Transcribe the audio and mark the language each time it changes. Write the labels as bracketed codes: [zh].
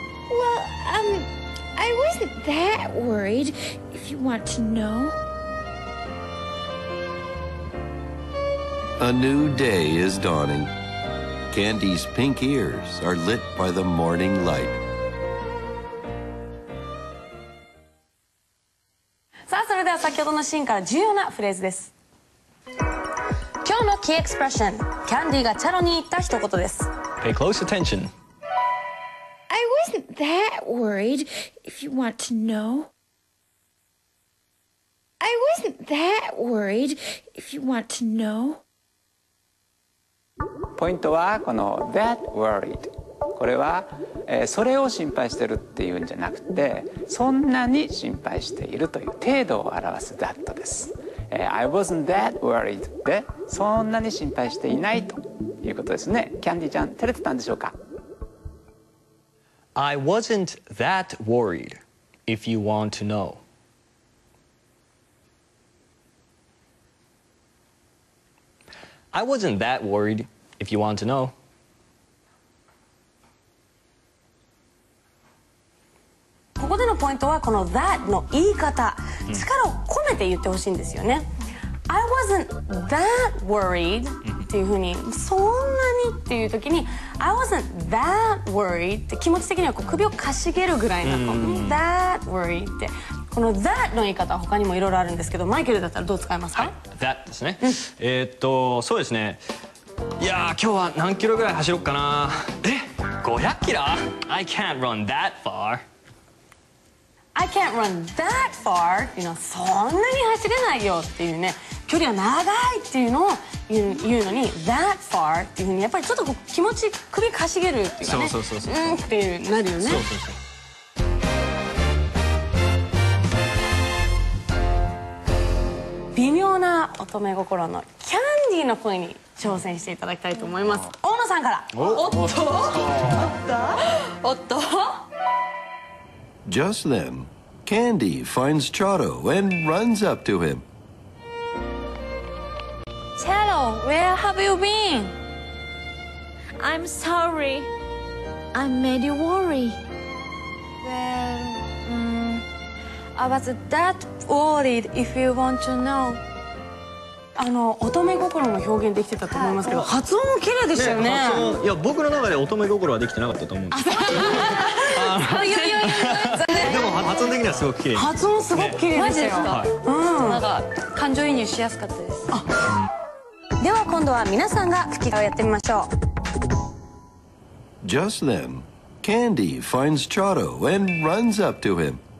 [en] Well, I wasn't that worried, if you want to know. A new day is dawning. Candy's pink ears are lit by the morning light. [ja] さあ、それでは先ほどのシーンから重要なフレーズです。今日のキーエクスプレッション、キャンディがチャロに言った一言です。 [en] Pay close attention. I wasn't that worried, if you want to know. I wasn't that worried, if you want to know. [ja] ポイントはこの [en] that worried [ja] これは、それを心配してるっていうんじゃなくてそんなに心配しているという程度を表す that です、 [en] I wasn't that worried [ja] でそんなに心配していないということですねキャンディちゃん照れてたんでしょうか [en] I wasn't that worried if you want to knowI wasn't that worried, if you want to know. [ja] ここでのポイントはこの that の言い方、力を込めて言ってほしいんですよね。 [en] I wasn't that worried [ja] っていうふうに、そんなにっていう時に、I wasn't that worried って気持ち的にはこう首をかしげるぐらいなの。 [en] That worried って。 [ja] この that の言い方は他にもいろいろあるんですけど、マイケルだったらどう使いますか？はい、that ですね。そうですね。いやー、今日は何キロぐらい走ろうかな。え、500キロ ？ [en] I can't run that far。 I can't run that far。 You know、 [ja] そんなに走れないよっていうね、距離は長いっていうのを言うのに [en] that far [ja] っていうふうにやっぱりちょっとこう気持ち首かしげるっていうかね、そう、っていうなるよね。そう。微妙な乙女心のキャンディーの声に挑戦していただきたいと思います。大野さんから。おっと。 [en] Just then, Candy finds Chato and runs up to him. Chato, where have you been? I'm sorry. I made you worry. Well, I was that worried if you want to know. [ja] 乙女心も表現できてたと思いますけど、はい、発音も綺麗でしたよ ね。いや僕の中で乙女心はできてなかったと思うんですけどでも発音的にはすごく綺麗、発音すごく綺麗でしたよ、ね、マジですか、はい、なんか感情移入しやすかったです。では今度は皆さんが吹き替えをやってみましょう。 [en] Just then Candy finds Chato and runs up to him